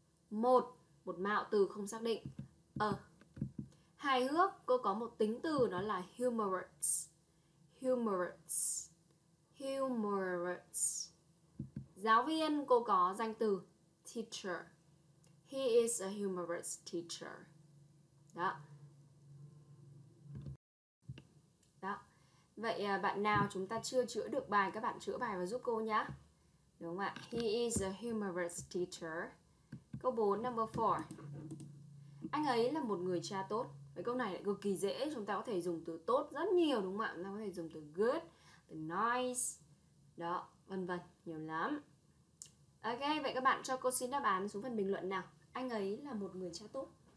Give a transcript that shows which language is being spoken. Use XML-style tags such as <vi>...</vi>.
<vi>Một, một mạo từ không xác định. A. Hài hước, cô có một tính từ đó là humorous.</vi> <en>Humorous. Humorous.</en> <vi>Giáo viên, cô có danh từ teacher.</vi> <en>He is a humorous teacher.</en> <vi>Đó. Đó. Vậy bạn nào chúng ta chưa chữa được bài, các bạn chữa bài và giúp cô nhá. Đúng không ạ?</vi> <en>He is a humorous teacher.</en> <vi>Câu 4,</vi> <en>number 4.</en> <vi>Anh ấy là một người cha tốt. Vậy câu này lại cực kỳ dễ, chúng ta có thể dùng từ tốt rất nhiều, đúng không ạ? Chúng ta có thể dùng từ good, từ nice, đó, vân vân, nhiều lắm. Ok, vậy các bạn cho cô xin đáp án xuống phần bình luận nào. Anh ấy là một người cha tốt.</vi>